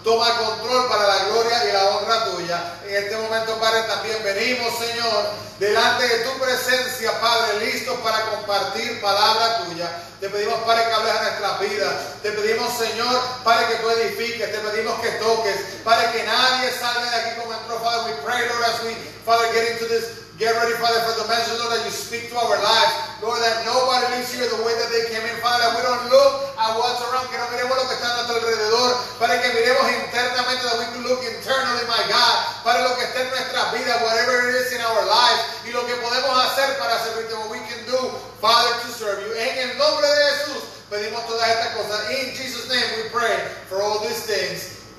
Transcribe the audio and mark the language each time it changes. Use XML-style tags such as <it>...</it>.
<es>Toma control para la gloria y la honra tuya. En este momento, Padre, también venimos, Señor, delante de tu presencia, Padre, listos para compartir palabra tuya. Te pedimos, Padre, que hables a nuestras vidas. Te pedimos, Señor, Padre, que tú edifiques. Te pedimos que toques. Padre, que nadie salga de aquí como entró.</es> <en>Father, we pray, Lord, as we, Father, get into this. Get ready, Father, for the message, Lord, that you speak to our lives. Lord, that nobody leaves here the way that they came in. Father, that we don't look at what's around.</en> <es>Que no miremos lo que está a nuestro alrededor. Padre, que miremos internamente.</es> <en>That we can look internally, my God.</en> <es>Padre, lo que está en nuestra vida,</es> <en>whatever it is in our lives.</en> <es>Y lo que podemos hacer para servirte.</es> <en>What we can do, Father, to serve you.</en> <es>En el nombre de Jesús, pedimos todas estas cosas.</es> <en>In Jesus' name, we pray for all these things.</en>